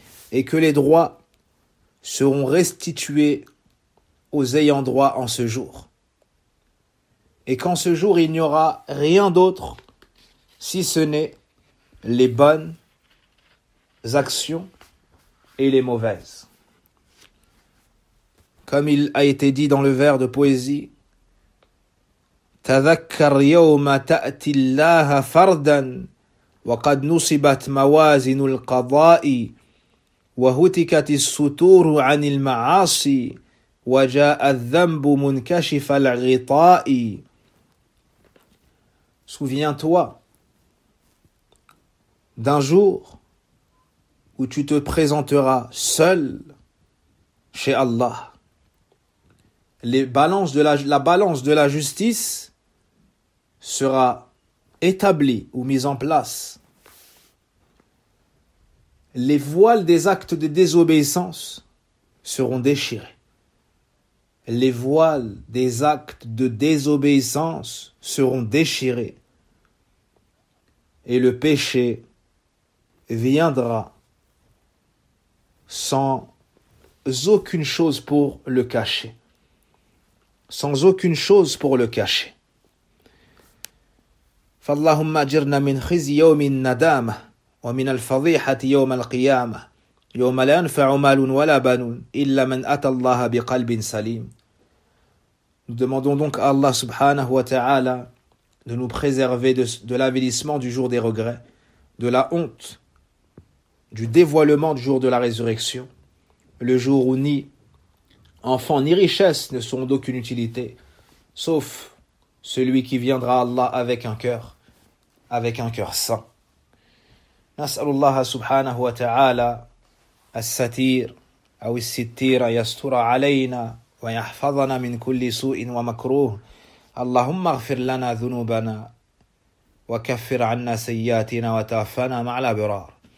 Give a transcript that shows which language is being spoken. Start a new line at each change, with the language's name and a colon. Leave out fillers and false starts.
French: Et que les droits seront restitués aux ayants droit en ce jour. Et qu'en ce jour, il n'y aura rien d'autre si ce n'est les bonnes actions et les mauvaises. Comme il a été dit dans le vers de poésie,
Arabic: تذكر يوم تأتي الله فردا وقد نصبت موازين القضاء وهتكت السطور عن المعاصي وجاء الذنب منكشف الغطاء.
French: Souviens-toi d'un jour où tu te présenteras seul chez Allah. La balance de la justice sera établie ou mise en place. Les voiles des actes de désobéissance seront déchirés. Les voiles des actes de désobéissance seront déchirés. Et le péché viendra sans aucune chose pour le cacher. Sans aucune chose pour le cacher.
Arabic: فاللهم اجرنا من خزي يوم الندامة ومن الفضيحة يوم القيامة يوم لا ينفع مال ولا بنون إلا من أتى الله بقلب سليم.
French: Nous demandons donc à Allah subhanahu wa ta'ala de nous préserver de l'avilissement du jour des regrets, de la honte, du dévoilement du jour de la résurrection, le jour où ni enfants ni richesses ne sont d'aucune utilité, sauf celui qui viendra à Allah avec un cœur saint.
Arabic: نسأل الله سبحانه وتعالى الستير أو الستير يستر علينا ويحفظنا من كل سوء ومكروه اللهم اغفر لنا ذنوبنا وكفر عنا سيئاتنا وتوفنا مع الأبرار